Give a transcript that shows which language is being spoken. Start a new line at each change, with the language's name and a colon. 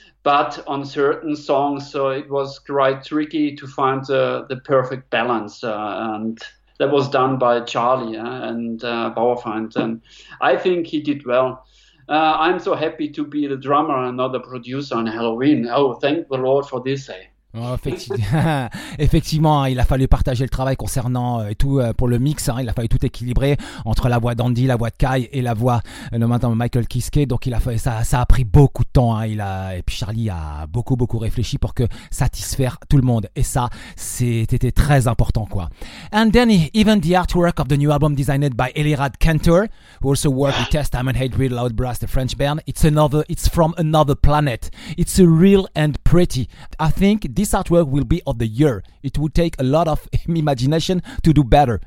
English: But on certain songs, so it was quite tricky to find the perfect balance, and that was done by Charlie and Bauerfeind, and I think he did well. I'm so happy to be the drummer and not the producer on Halloween. Oh, thank the Lord for this, eh?
French: Effectivement, il a fallu partager le travail concernant et tout pour le mix. Hein, il a fallu tout équilibrer entre la voix d'Andy, la voix de Kai et la voix de Michael Kiske. Donc, il a fallu, ça a pris beaucoup de temps. Hein, et puis Charlie a beaucoup réfléchi pour que satisfaire tout le monde. Et ça, c'était très important, quoi.
English: And then even the artwork of the new album designed by Elirad Kantor, who also worked with Testament, Hatebreed, Loudbrass, the French band. It's from another planet. It's real and pretty. I think this artwork will be of the year. It would take a lot of imagination to do better.